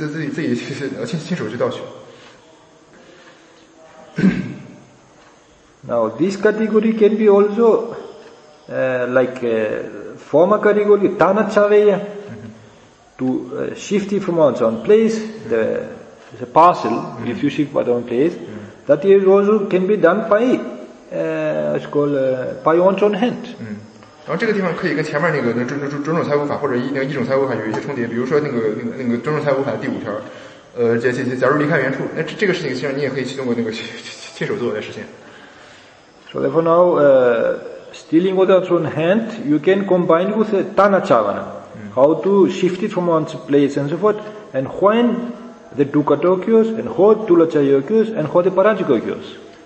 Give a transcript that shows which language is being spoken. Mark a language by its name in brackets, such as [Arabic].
[Chinese] 亲手就是指不是通过命令他人，而是自己亲手去盗取。 [English] Now this category can be also like a former category, Tanachaveya. To shift it from one's own place, the parcel, if you shift by the own place, that is also can be done by, it's called, by one's own hand. [Chinese] 然后这个地方可以跟前面那个准种财务法或者一种财务法有一些重叠，比如说那个准种财务法第五条，假如离开原处，那这个事情其实你也可以去通过那个亲手做的事情。 [English] So therefore now, stealing with one's own hand, you can combine with Tanachavana. How to shift it from one's place and so forth, and when the dukkha occurs, and how the dulacha occurs, and how the parajika occurs.